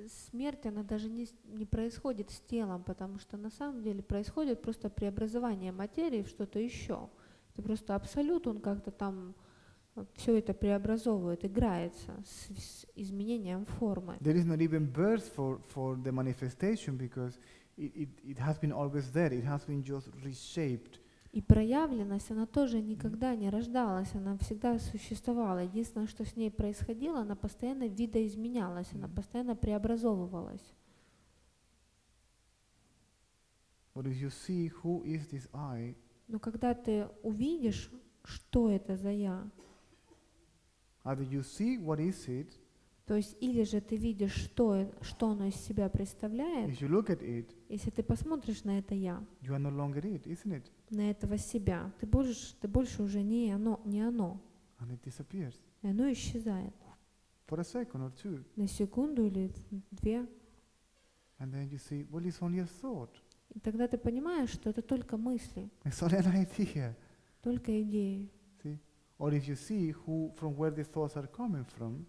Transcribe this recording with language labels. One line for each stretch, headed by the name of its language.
Russian: Смерть она даже не происходит с телом, потому что на самом деле происходит просто преобразование материи в что-то еще. Это просто абсолют, он как-то там все это преобразовывает, играется с изменением формы.
English: There is not even birth for the manifestation, because it has been always there. It has been just reshaped.
Russian: И проявленность, она тоже никогда не рождалась, она всегда существовала. Единственное, что с ней происходило, она постоянно видоизменялась, она постоянно преобразовывалась.
English: But if you see who is this I,
Russian: но когда ты увидишь, что это за я,
English: you see what is it,
Russian: то есть или же ты видишь, что оно из себя представляет,
English: if you look at it,
Russian: если ты посмотришь на это я,
English: you are no longer it, isn't it?
Russian: На этого себя. Ты больше уже не оно.
English: And it disappears.
Russian: И оно исчезает.
English: For a second or two.
Russian: На секунду или две.
English: And then you see, well, it's only a thought.
Russian: И тогда ты понимаешь, что это только мысли.
English: It's only an idea.
Russian: Только идеи.
English: See? Or if you see who, from where the thoughts are coming from.